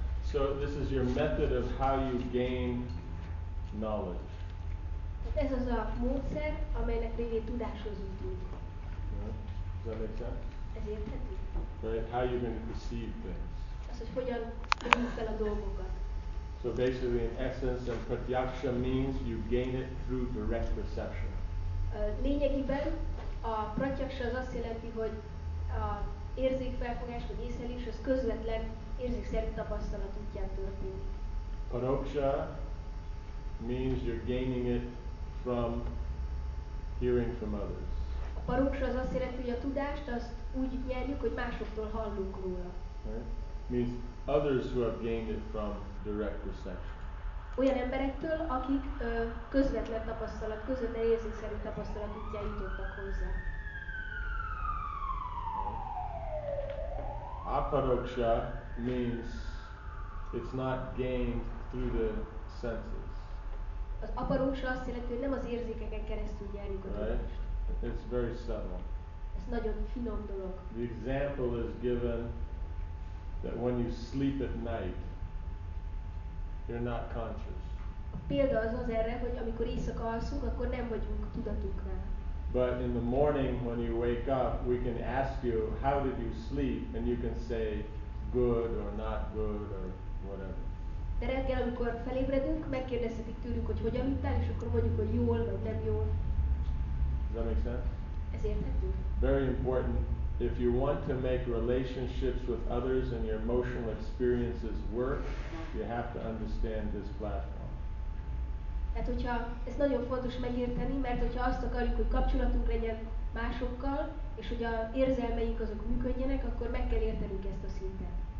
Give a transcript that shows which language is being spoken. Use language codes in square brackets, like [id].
[en] So this is your method of how you gain knowledge. [hu] Ez az a módszer, amelynek révén tudáshoz jutunk. [en] Does that make sense? [hu] Ez érthető. [en] Right, how you're going to perceive things. [hu] Az, hogy hogyan tudjuk fel a dolgokat. [en] So basically, in essence, and pratyaksha means you gain it through direct perception. [hu] Lényegében a pratyaksha az azt jelenti, hogy a érzékfelfogás vagy észlelés az közvetlen érzékszerű tapasztalat útján történik. [en] Paroksha means you're gaining it from hearing from others. [hu] A paroksha az azt jelenti, hogy a tudást azt úgy nyerjük, hogy másoktól hallunk róla. [en] Right? Means others who have gained it from direct perception. [hu] Olyan emberektől, akik közvetlen tapasztalat, közvetlen érzékszerű tapasztalat útján jutottak hozzá. [en] Aparoksha means it's not gained through the senses. [hu] Az aparoksha azt jelenti, hogy nem az érzékeken keresztül nyerjük a tudást. [en] It's very subtle. [hu] Ez nagyon finom dolog. [en] The example is given that when you sleep at night, you're not conscious. [hu] A példa az az erre, hogy amikor éjszaka alszunk, akkor nem vagyunk tudatunkra. [en] But in the morning when you wake up, we can ask you, how did you sleep? And you can say, good or not good or whatever. [hu] De reggel, amikor felébredünk, megkérdezhetik tőlünk, hogy hogyan jutál, és akkor mondjuk, hogy jól vagy nem jól. [en] Does that make sense? [hu] Ez érthető. [en] Very important. If you want to make relationships with others and your emotional experiences work, you have to understand this platform. [hu] Tehát hogyha, ez nagyon fontos megérteni, mert hogyha azt akarjuk, hogy kapcsolatunk legyen másokkal, és hogy a érzelmeink azok működjenek, akkor meg kell értenünk ezt a szintet.